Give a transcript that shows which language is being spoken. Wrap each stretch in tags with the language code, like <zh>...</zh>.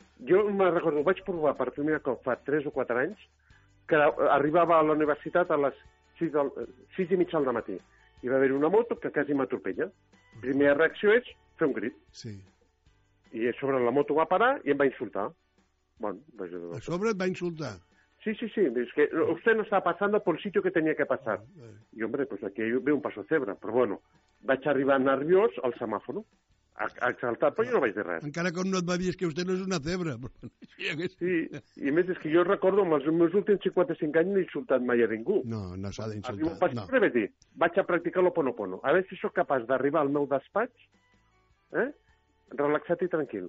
<ca>Jo me'n recordo, ho vaig provar per primera cop fa 3 o 4 anys, que arribava a la universitat a les 6:30 del matí. Hi va haver una moto que quasi m'atropella. Primera reacció és fer un crit. Sí. I sobre la moto va parar i em va insultar. Bueno, vaig a sobre et va insultar? Sí, sí, sí.</ca> <es>És que usted no está pasando por el sitio que tenía que pasar. I, hombre, pues aquí ve un paso cebra.</es> <ca>Però, bueno, vaig arribar nerviós al semàforo. Exaltat, però jo no vaig dir res. Encara com no et va dir que usted no és una cebra. Sí, i a més és que jo recordo amb els meus últims 55 anys no he insultat mai a ningú. No, no s'ha d'insultar. Arriba un pas cebra, vaig dir, vaig a practicar l'oponopono. A veure si sóc capaç d'arribar al meu despatx, relaxat i tranquil.</ca>